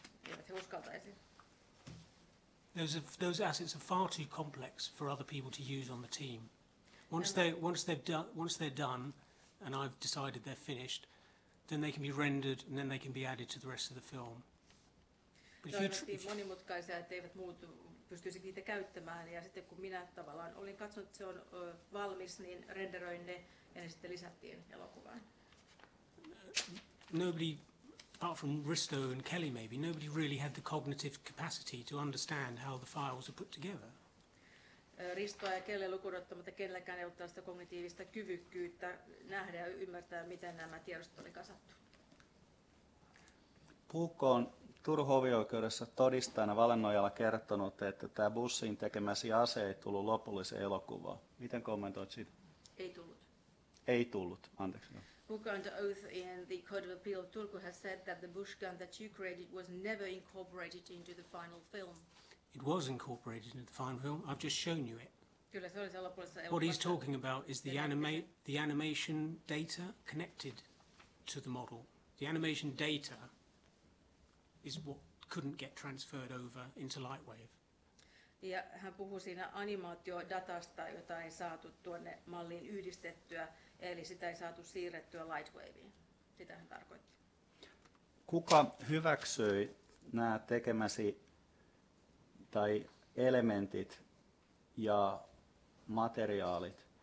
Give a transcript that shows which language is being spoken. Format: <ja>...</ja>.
<fi>Eivät he uskaltaisi.</fi> <en>Those assets are far too complex for other people to use on the team. Once they're done and I've decided they're finished, then they can be rendered and then they can be added to the rest of the film.</en> <fi>Monimutkaisia, että eivät muut pystyisi niitä käyttämään, ja sitten kun minä tavallaan olin katsonut, että se on valmis, niin renderoin ne, ja ne sitten lisättiin elokuvaan.</fi> <en>Nobody, apart from Risto and Kelly maybe, nobody really had the cognitive capacity to understand how the files are put together.</en> <fi>Ristoa ja Kelly lukuun ottamatta kenelläkään ei ollut kognitiivista kyvykkyyttä nähdä ja ymmärtää, miten nämä tiedostot oli kasattu. Puukkoon. Turun hovioikeudessa todistajana valennojalla kertonut, että tämä bussiin tekemäsi ase ei tullut lopulliseen elokuvaan. Miten kommentoit siitä? Ei tullut. Ei tullut, anteeksi.</fi> <en>Book under oath in the Court of Appeal of Turku has said that the bush gun that you created was never incorporated into the final film. It was incorporated into the final film. I've just shown you it.</en> <fi>Kyllä, se oli se lopullisessa elokuvassa.</fi> <en>What he's talking about is the animation data connected to the model. The animation data is what couldn't get transferred over into Lightwave.</en> <fi>Ja hän puhui siinä animaatiodatasta, jota ei saatu tuonne malliin yhdistettyä, eli sitä ei saatu siirrettyä Lightwaveen. Sitä hän tarkoitti. Kuka hyväksyi nämä tekemäsi tai elementit ja materiaalit?</fi>